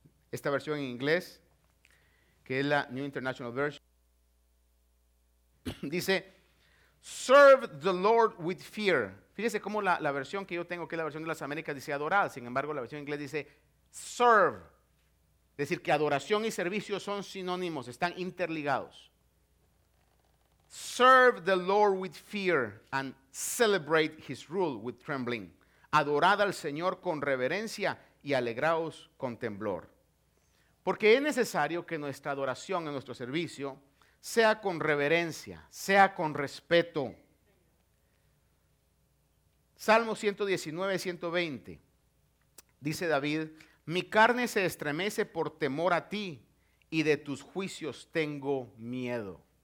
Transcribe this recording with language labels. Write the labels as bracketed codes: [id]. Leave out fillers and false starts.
[es] Esta versión en inglés, que es la New International Version, dice, [en] serve the Lord with fear. [es] Fíjese cómo la versión que yo tengo, que es la versión de las Américas, dice adorar. Sin embargo, la versión inglés dice serve. Es decir, que adoración y servicio son sinónimos, están interligados. [en] Serve the Lord with fear and celebrate his rule with trembling. [es] Adorad al Señor con reverencia y alegraos con temblor. Porque es necesario que nuestra adoración en nuestro servicio sea con reverencia, sea con respeto. Salmo 119, 120. Dice David, mi carne se estremece por temor a ti y de tus juicios tengo miedo.